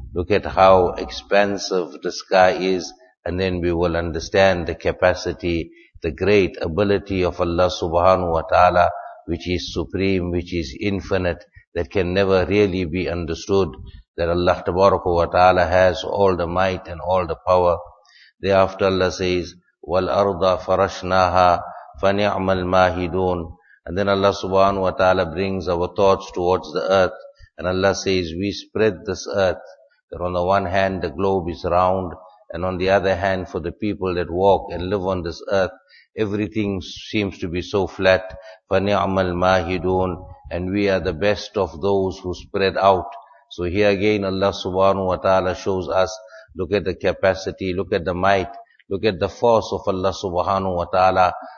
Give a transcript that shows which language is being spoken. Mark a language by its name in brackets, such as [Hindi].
[English] Look at how expansive the sky is, and then we will understand the capacity, the great ability of Allah subhanahu wa ta'ala, which is supreme, which is infinite, that can never really be understood, that Allah tabarakah wa ta'ala has all the might and all the power. Thereafter Allah says, [Arabic] وَالْأَرْضَ فَرَشْنَاهَا فَنِعْمَ الْمَاهِدُونَ. [English] And then Allah subhanahu wa ta'ala brings our thoughts towards the earth. And Allah says, we spread this earth. That on the one hand the globe is round, and on the other hand for the people that walk and live on this earth, everything seems to be so flat. [Arabic] فَنِعْمَ الْمَاهِدُونَ. [English] And we are the best of those who spread out. So here again Allah subhanahu wa ta'ala shows us, look at the capacity, look at the might, look at the force of Allah subhanahu wa ta'ala.